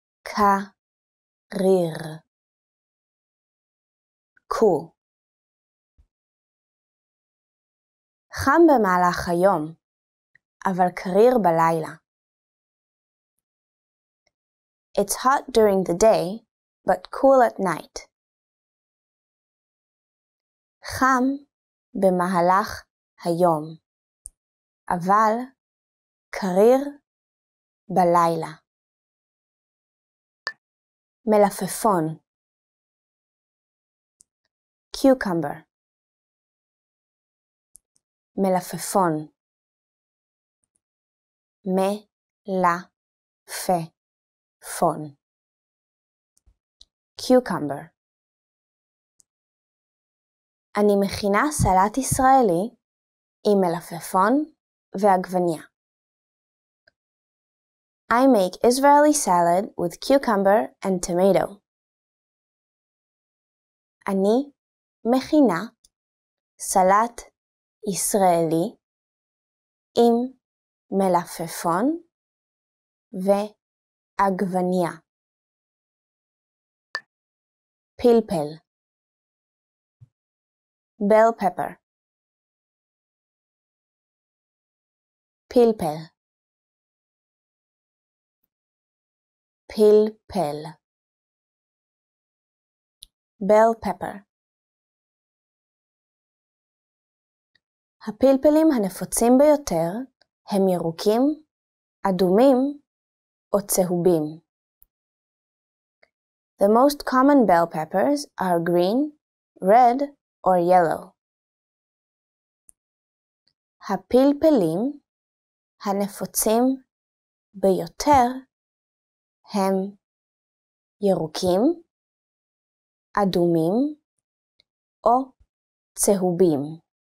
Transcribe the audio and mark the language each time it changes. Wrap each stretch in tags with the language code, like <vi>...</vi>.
<he>קריר.</he> <en>Cool.</en> <he>חם במהלך היום, אבל קריר בלילה.</he> <en>It's hot during the day, but cool at night.</en> <he>חם במהלך היום, אבל קריר בלילה. מלפפון.</he> <en>Cucumber.</en> <he>מלפפון מלפפון</he> <en>cucumber</en> <he>אני מכינה סלט ישראלי עם מלפפון ועגבניה</he> <en>I make Israeli salad with cucumber and tomato</en> <he>אני מכינה סלט ישראלי עם מלפפון ועגבניה פלפל</he> <en>bell pepper</en> <he>פלפל פלפל</he> <en>bell pepper</en> <he>הפלפלים הנפוצים ביותר הם ירוקים, אדומים או צהובים.</he> <en>The most common bell peppers are green, red or yellow.</en> <he>הפלפלים הנפוצים ביותר הם ירוקים, אדומים או צהובים.</he>